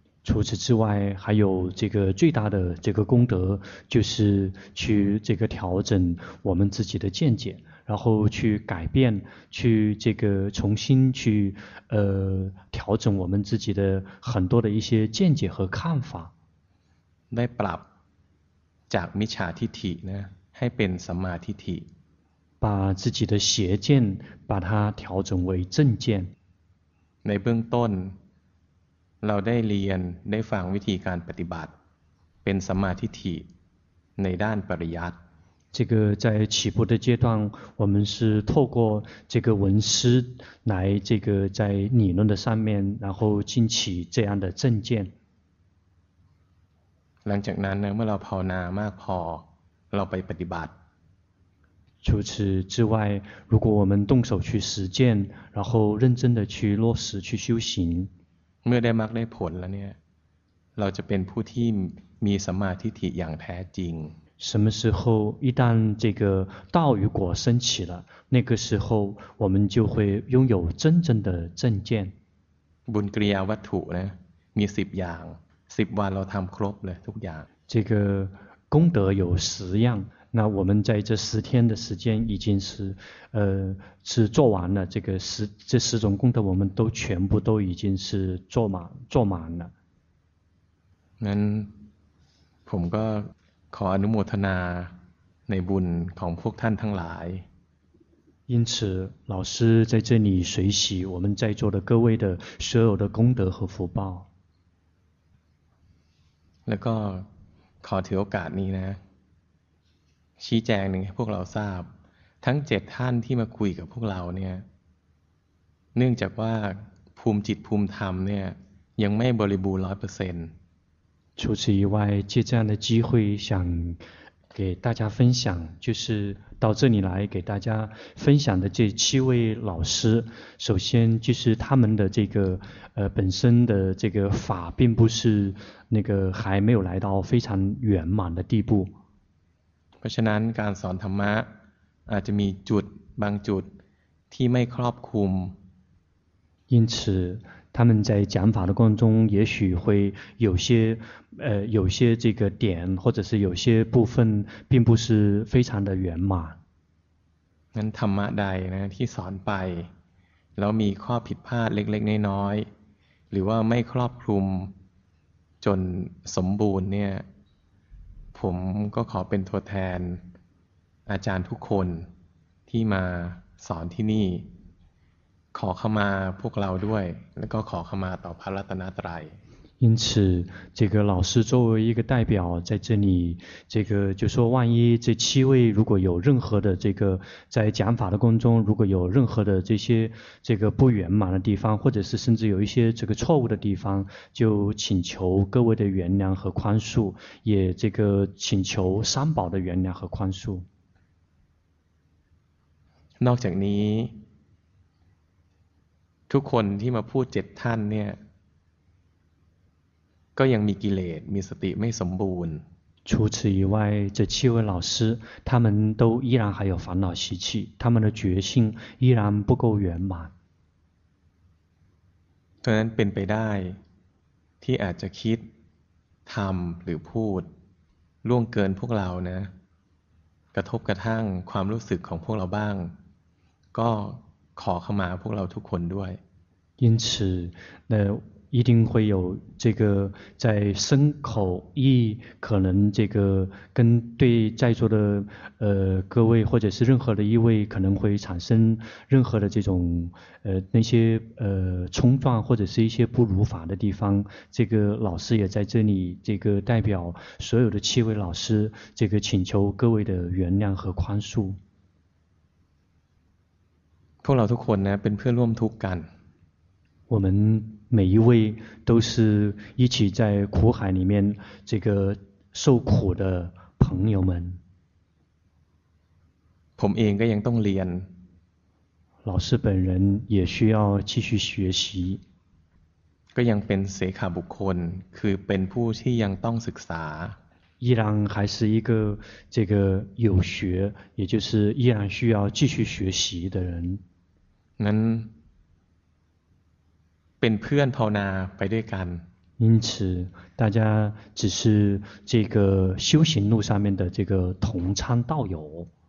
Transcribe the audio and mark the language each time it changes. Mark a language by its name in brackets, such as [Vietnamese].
[Chinese] 除此之外还有这个最大的这个功德就是去这个调整我们自己的见解然后去改变去这个重新去调整我们自己的很多的一些见解和看法 [Thai] ได้ปรับจากมิจฉาทิฏฐินะให้เป็นสัมมาทิฏฐิ [Chinese] 把自己的邪见把它调整为正见 [Thai] ในเบื้องต้นเราได้เรียนได้ฟังวิธีการปฏิบัติเป็นสัมมาทิฏฐิในด้านปริยัติ [Chinese] 这个在起步的阶段我们是透过这个文师来这个在理论的上面然后进起这样的正见 [Thai] หลังจากนั้นเมื่อเราภาวนามากพอเราไปปฏิบัติ [Chinese] 除此之外如果我们动手去实践然后认真的去落实去修行 [Thai] เมื่อได้มรรคได้ผลแล้วเนี่ยเราจะเป็นผู้ที่มีสัมมาทิฏฐิอย่างแท้จริง [Chinese] 什么时候一旦这个道与果升起了那个时候我们就会拥有真正的正见 [Thai] บุญกิริยาวัตถุนะมี10อย่าง10วันเราทำครบเลยทุกอย่าง [Chinese] 这个功德有十样那我们在这十天的时间已经是是做完了这个这十种功德我们都全部都已经是做满了 [Thai] 那ผมก็ขออนุโมทนาในบุญของพวกท่านทั้งหลาย [Chinese] 因此老师在这里随喜我们在座的各位的所有的功德和福报。 [Thai] แล้วก็ขอถือโอกาสนี้นะชี้แจงหนึ่งให้พวกเราทราบทั้งเจ็ดท่านที่มาคุยกับพวกเราเนี่ยเนื่องจากว่าภูมิจิตภูมิธรรมเนี่ยยังไม่บริบูรณ์ 100% [Chinese] 除此以外借这样的机会想给大家分享就是到这里来给大家分享的这七位老师首先就是他们的这个本身的这个法并不是那个还没有来到非常圆满的地步 [Thai] เพราะฉะนั้นการสอนธรรมะอาจจะมีจุดบางจุดที่ไม่ครอบคลุม [Chinese] 因此他们在讲法的过程中也许会有些有些这个点或者是有些部分并不是非常的圆满 [Thai] งั้นธรรมะใดนะที่สอนไปแล้วมีข้อผิดพลาดเล็กๆน้อยๆหรือว่าไม่ครอบคลุมจนสมบูรณ์เนี่ยผมก็ขอเป็นตัวแทนอาจารย์ทุกคนที่มาสอนที่นี่ขอเข้ามาพวกเราด้วยแล้วก็ขอเข้ามาต่อพระรัตนตรัย [Chinese] 因此这个老师作为一个代表在这里这个就说万一这七位如果有任何的这个在讲法的过程中如果有任何的这些这个不圆满的地方或者是甚至有一些这个错误的地方就请求各位的原谅和宽恕也这个请求三宝的原谅和宽恕 [Thai] นอกจากนี้ทุกคนที่มาพูดเจ็ดท่านเนี่ยก็ยังมีกิเลสมีสติไม่สมบูรณ์ [Chinese] 除此以外这七位老师他们都依然还有烦恼习气他们的觉性依然不够圆满 [Thai] ดังนั้นเป็นไปได้ที่อาจจะคิดทำหรือพูดล่วงเกินพวกเรานะกระทบกระทั่งความรู้สึกของพวกเราบ้างก็ขอเข้ามาพวกเราทุกคนด้วย [Chinese] 因此那一定会有这个在身口意可能这个跟对在座的各位或者是任何的一位可能会产生任何的这种那些冲撞或者是一些不如法的地方这个老师也在这里这个代表所有的七位老师这个请求各位的原谅和宽恕 [Thai] พวกเราทุกคนนะเป็นเพื่อนร่วมทุกข์กัน [Chinese] 我们每一位都是一起在苦海里面这个受苦的朋友们 [Thai] ผมเองก็ยังต้องเรียน [Chinese] 老师本人也需要继续学习 [Thai] ก็ยังเป็นเสขะบุคคลคือเป็นผู้ที่ยังต้องศึกษา [Chinese] 依然还是一个这个有学也就是依然需要继续学习的人 [Thai] นั้นเป็นเพื่อนภาวนาไปด้วยกัน [Chinese] 因此大家只是这个修行路上面的这个同参道友